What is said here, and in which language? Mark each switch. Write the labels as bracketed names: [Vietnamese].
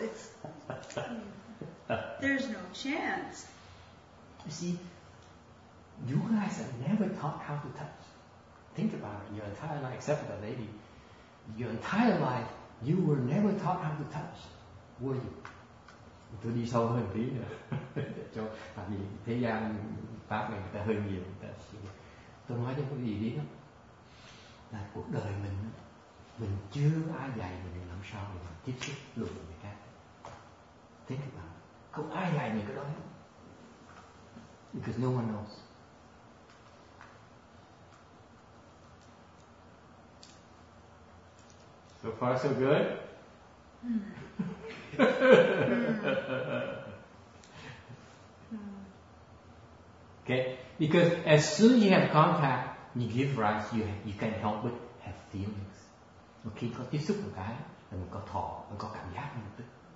[English] It's, there's no chance. You see, you guys have never taught how to touch. Think about it, your entire life, except for the lady, your entire life, you were never taught how to touch, were you? [Vietnamese] Tôi đi sâu hơn tí nữa cho tại vì thế gian pháp này người ta hơi nhiều, người ta tôi nói cho quý vị biết đó, là cuộc đời mình chưa ai dạy mình làm sao để mình tiếp xúc được người khác. [English] Think about it. [Vietnamese] Không ai dạy mình cái đó hết. [English] Because no one knows. So far so good. Okay, because as soon as you have contact, you give rise, you can help but have feelings. [Vietnamese] Okay, có tiếp xúc một cái là mình có thọ, mình có cảm giác, mình thích.